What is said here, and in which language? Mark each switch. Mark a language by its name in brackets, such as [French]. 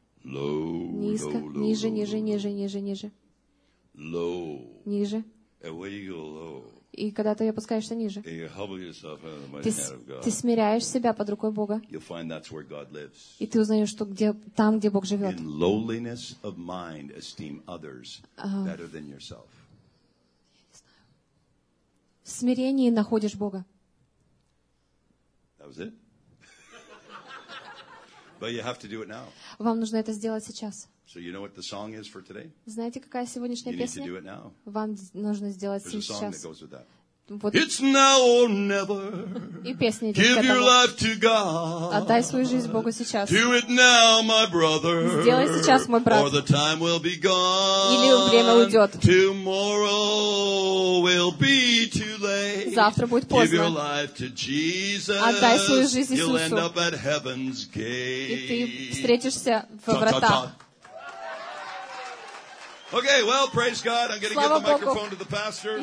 [English] Low, [Russian] низко. [English] Low, low, [Russian] ниже, ниже, ниже, ниже, ниже. [English] Low. [Russian] Ниже. [English] And when you go low, [Russian] и когда ты опускаешься ниже, [English] and you humble yourself under the mighty hand of God, [Russian] ты смиряешь себя под рукой Бога, [English] you'll find that's where God lives. [Russian] И ты узнаешь, что где, там, где Бог живет. [English] In lowliness of mind, esteem others better than yourself. [Russian] В смирении находишь Бога. [English] That was it? But you have to do it now. [Russian] Вам нужно это сделать сейчас. [English] So you know what the song is for today? [Russian] Знаете, какая сегодняшняя песня? [English] You need to do it now. [Russian] Вам нужно сделать [English] There's [Russian] сейчас. [English] A song that goes with that. [Russian] Вот. [English] It's now or never. [Russian] И песня идет [English] Give your life to God. [Russian] Отдай свою жизнь Богу сейчас. [English] Do it now, my brother. [Russian] Сделай сейчас, мой брат. [English] Or the time will be gone. [Russian] Или время уйдет. [English] Tomorrow will be too late. [Russian] Завтра будет поздно. [English] Give your life to Jesus. [Russian] Отдай свою жизнь Иисусу. [English] You'll end up at heaven's gate. [Russian] И ты встретишься в вратах. [English] Okay, well, praise God. I'm going to give the microphone to the pastor.